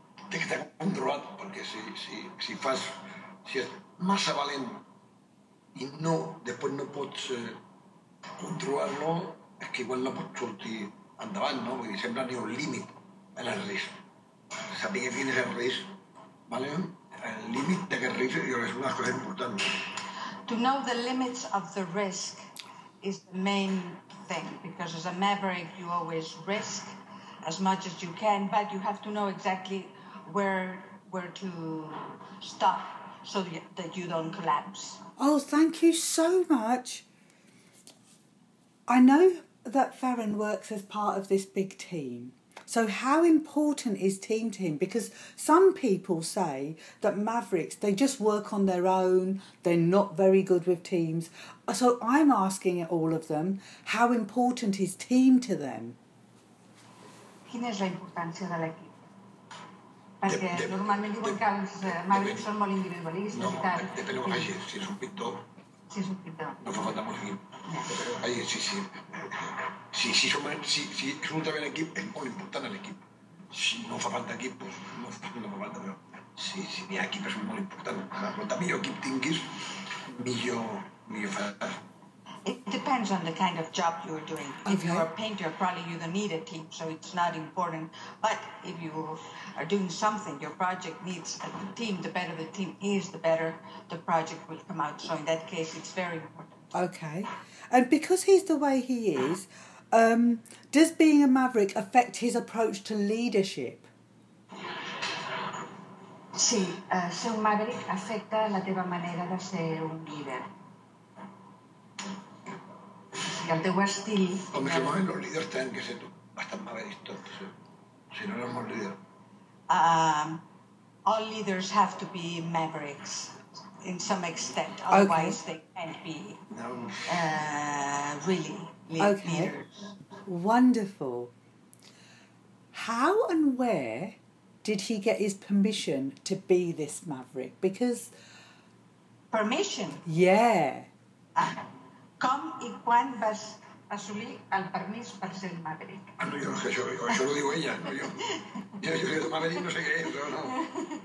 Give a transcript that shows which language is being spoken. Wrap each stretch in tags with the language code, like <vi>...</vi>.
<ca>Té que estar controlat, perquè si fas... Si és massa valent i no, després no pots controlar-lo, és que igual no pots sortir endavant, no? Vull dir, sempre hi ha un límit en el risc. Saber que tens el risc, ¿vale? El límit d'aquest risc jo és una cosa important.</ca> <en>To know the limits of the risk is the main thing, because as a maverick you always risk as much as you can, but you have to know exactly where to stop. So that you don't collapse. Oh, thank you so much. I know that Farron works as part of this big team. So how important is team to him? Because some people say that mavericks, they just work on their own. They're not very good with teams. So I'm asking all of them, how important is team to them?</en> <ca>Quina és la importància de l'equip? Perquè normalment diuen que els mavericks són molt individualistes no, i tal. Depèn del que faci, si és un pintor. Si és un pintor. No fa falta molt equip. Ja. Sí. Si és un treball d'equip, és molt important l'equip. Si no fa falta equip, doncs no fa falta. Però si hi ha equip, és molt important. Quanta millor equip tinguis, millor faràs.</ca> <en>It depends on the kind of job you're doing. Okay. If you're a painter, probably you don't need a team, so it's not important. But if you are doing something, your project needs a team. The better the team is, the better the project will come out. So in that case, it's very important. Okay. And because he's the way he is, does being a maverick affect his approach to leadership?</en> <ca>Sí, ser un maverick afecta la teva manera de ser un líder. Si el teu estil... Home, si moment, els líders tenen que ser bastant maverics tots. Si no, no som líder.</ca> <en>All leaders have to be mavericks in some extent, otherwise okay. They can't be really okay. Leaders. Wonderful. How and where did he get his permission to be this maverick? Because... Permission? Yeah.</en> <ca>Com i quan vas assolir el permís per ser maverick? Ah, no, jo no sé, això ho diu ella, no, jo. Jo sé, maverick no sé què és, però no.</ca>